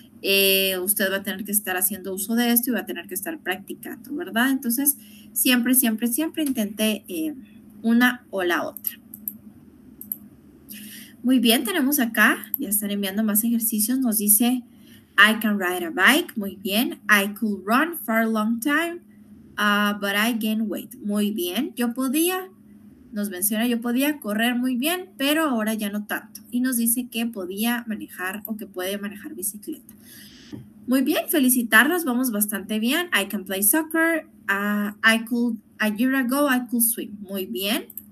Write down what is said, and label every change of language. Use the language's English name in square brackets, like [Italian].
[Spanish] Usted va a tener que estar haciendo uso de esto y va a tener que estar practicando, ¿verdad? Entonces, siempre, siempre, siempre intente una o la otra. Muy bien, tenemos acá, ya están enviando más ejercicios, nos dice [English] I can ride a bike. [Spanish] Muy bien. [English] I could run for a long time, but I gain weight. [Spanish] Muy bien. Yo podía, nos menciona, yo podía correr muy bien, pero ahora ya no tanto. Y nos dice que podía manejar o que puede manejar bicicleta. Muy bien, felicitarlos. Vamos bastante bien. [English] I can play soccer. A year ago, I could swim. [Spanish] Muy bien.